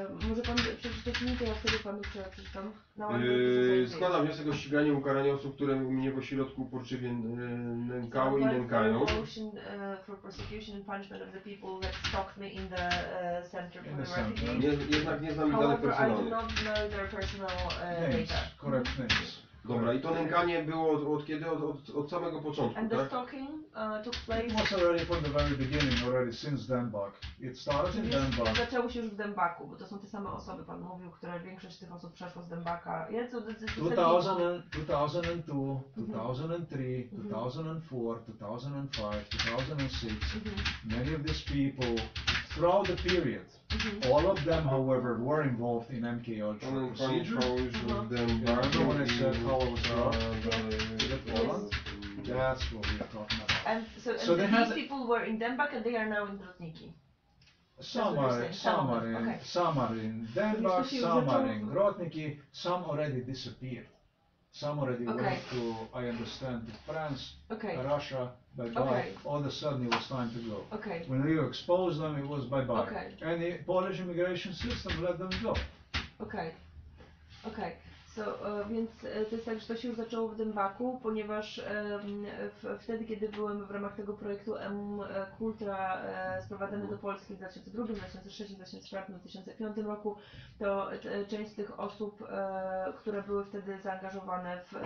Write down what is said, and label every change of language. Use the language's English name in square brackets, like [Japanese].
[Polish] Może pan przeczytać mi to, ja wtedy panu przeczytam. Składam wniosek o ściganie i ukaranie osób, które mnie po środku porczywie nękały i nękają. [English] Motion for prosecution and punishment of the people that stalked me in the center for the refugees. [Polish] Jednak nie znam ich danych personalnych. [English] However, I do not know their personal data. Correct names. [Polish] Dobra, i to nękanie było od kiedy? Od samego początku, [English] and [Polish] tak? [English] And the stalking took place... It was already from the very beginning, already since Dębak. It started in Dębak. [Polish] Zaczęło się już w Dębaku, bo to są te same osoby, pan mówił, które większość tych osób przeszło z Dębaka. Ja, co, [English] 2002, 2003, 2004, 2005, 2006, many of these people, throughout the period, all of them, however, were involved in MKUltra procedures. Remember when I said how I was wrong? That's what we are talking about. And so these people were in Dębak and they are now in Grodniki? Some are in Dębak, some are in Grodniki, some already disappeared. Some already went to, I understand, to France, Russia. Bye-bye. Okay. All of a sudden it was time to go. Okay. When Leo exposed them, it was bye-bye. Okay. And the Polish immigration system let them go. Okay. [Polish] So, więc to jest tak, że to się zaczęło w Dębaku, ponieważ wtedy, kiedy byłem w ramach tego projektu MKUltra sprowadzany do Polski w 2002, 2006, 2004, 2005 roku, to część z tych osób, które były wtedy zaangażowane w